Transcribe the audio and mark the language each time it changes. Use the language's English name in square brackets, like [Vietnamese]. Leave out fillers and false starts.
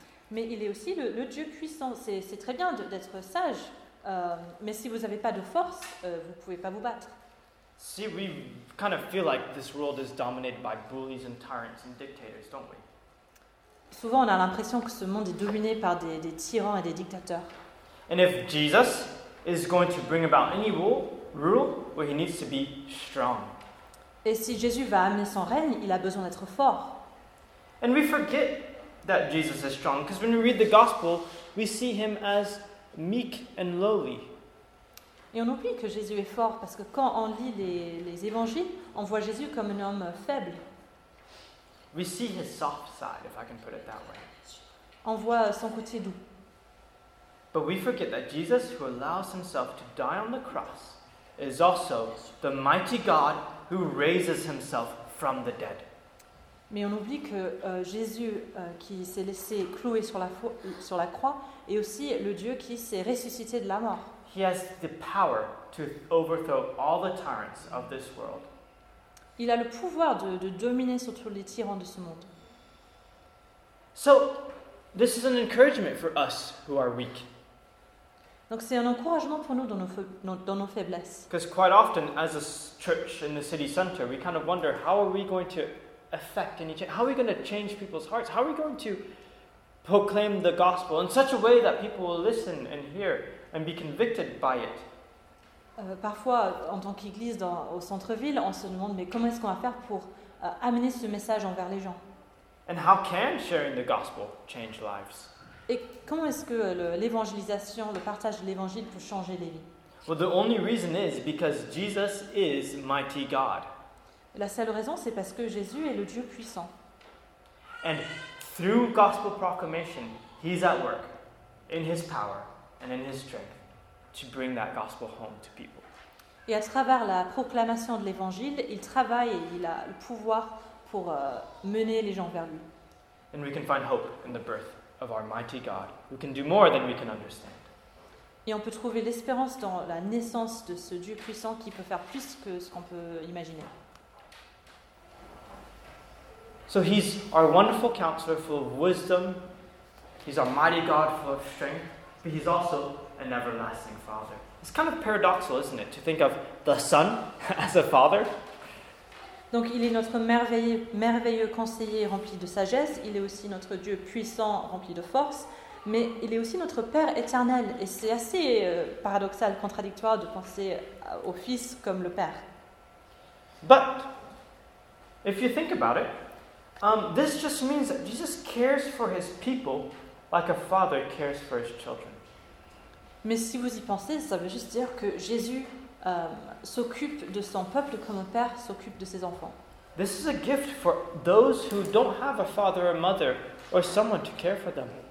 [French] Mais il est aussi le Dieu puissant. C'est très bien d'être sage, mais si vous n'avez pas de force, vous ne pouvez pas vous battre. [English] See, we kind of feel like this world is dominated by bullies and tyrants and dictators, don't we? [French] Souvent, on a l'impression que ce monde est dominé par des tyrans et des dictateurs. [English] And if Jesus is going to bring about any rule, well, he needs to be strong. [French] Et si Jésus va amener son règne, il a besoin d'être fort. [English] And we forget that Jesus is strong, because when we read the gospel, we see him as meek and lowly. [French] Et on oublie que Jésus est fort, parce que quand on lit les évangiles, on voit Jésus comme un homme faible. [English] We see his soft side, if I can put it that way. [French] On voit son côté doux. [English] But we forget that Jesus, who allows himself to die on the cross, is also the mighty God who raises himself from the dead. [French] Mais on oublie que Jésus, qui s'est laissé clouer sur la croix, est aussi le Dieu qui s'est ressuscité de la mort. [English] He has the power to overthrow all the tyrants of this world. [French] Il a le pouvoir de dominer sur tous les tyrans de ce monde. [English] So, this is an encouragement for us who are weak. [French] Donc c'est un encouragement pour nous dans nos faiblesses. [English] Because quite often, as a church in the city center, we kind of wonder how are we going to affect any change? How are we going to change people's hearts? How are we going to proclaim the gospel in such a way that people will listen and hear and be convicted by it? [French] Parfois, en tant qu'église au centre-ville, on se demande mais comment est-ce qu'on va faire pour amener ce message envers les gens? [English] And how can sharing the gospel change lives? [French] Et comment est-ce que l'évangélisation, le partage de l'évangile peut changer les vies? [English] Well, the only reason is because Jesus is mighty God. [French] La seule raison, c'est parce que Jésus est le Dieu puissant. [English] And through gospel proclamation, he's at work in his power and in his strength to bring that gospel home to people. [French] Et à travers la proclamation de l'évangile, il travaille et il a le pouvoir pour mener les gens vers lui. [English] And we can find hope in the birth of our mighty God, who can do more than we can understand. [French] Et on peut trouver l'espérance dans la naissance de ce Dieu puissant qui peut faire plus que ce qu'on peut imaginer. [English] So he's our wonderful counselor full of wisdom. He's our mighty God full of strength. But he's also an everlasting father. It's kind of paradoxical, isn't it, to think of the Son as a father? [French] Donc il est notre merveilleux conseiller rempli de sagesse, il est aussi notre Dieu puissant rempli de force, mais il est aussi notre Père éternel, et c'est assez paradoxal, contradictoire de penser au Fils comme le Père. [English] But, if you think about it, this just means that Jesus cares for his people like a father cares for his children. [French] Mais si vous y pensez, ça veut juste dire que Jésus s'occupe de son peuple comme un père s'occupe de ses enfants. [English] This is a gift for those who don't have a father or mother or someone to care for them.